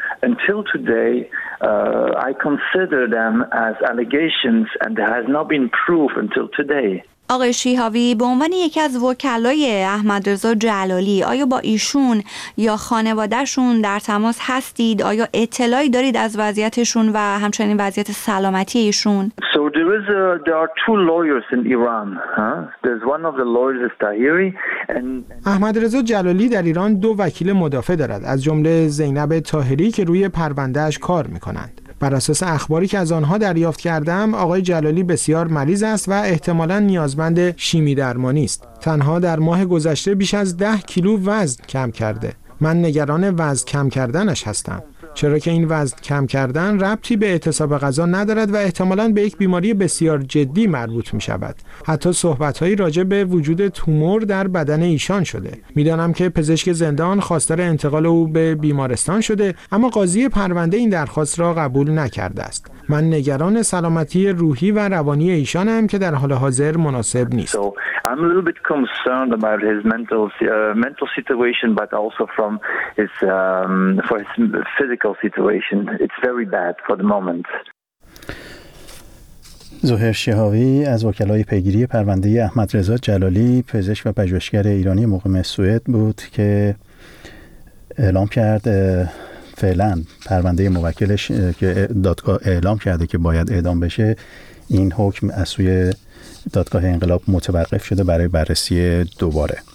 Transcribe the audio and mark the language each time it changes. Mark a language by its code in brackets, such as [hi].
[en] Until today, I consider them as allegations and there has not been proof until today. [fa] آقای شیهاوی به عنوان یکی از وکلای احمد رضا جلالی آیا با ایشون یا خانوادهشون در تماس هستید؟ آیا اطلاعی دارید از وضعیتشون و همچنین وضعیت سلامتی ایشون؟ [en] So there are two lawyers in Iran. There's one of the lawyers is Tahiri and [fa] احمد رضا جلالی در ایران دو وکیل مدافع دارد از جمله زینب طاهری که روی پرونده‌اش کار می‌کنند. بر اساس اخباری که از آنها دریافت کردم آقای جلالی بسیار مریض است و احتمالاً نیازمند شیمی درمانی است. تنها در ماه گذشته بیش از 10 کیلو وزن کم کرده. من نگران وزن کم کردنش هستم چرا که این وزن کم کردن ربطی به اعتصاب غذا ندارد و احتمالاً به یک بیماری بسیار جدی مربوط می شود. حتی صحبت‌هایی راجع به وجود تومور در بدن ایشان شده. می دانم که پزشک زندان خواستار انتقال او به بیمارستان شده اما قاضی پرونده این درخواست را قبول نکرده است. من نگران سلامتی روحی و روانی ایشانم که در حال حاضر مناسب نیست. [en] I'm a little bit concerned about his mental situation, but also from his for his physical situation. It's very bad for the moment. [fa] ظهیر شهاوی از وکلای پیگیری پرونده احمد رضا جلالی پزشک و پژوهشگر ایرانی مقیم سوئد بود که اعلام کرد فعلا پرونده موکلش که دادگاه اعلام کرده که باید اعدام بشه این حکم از سوی دادگاه انقلاب متوقف شده برای بررسی دوباره.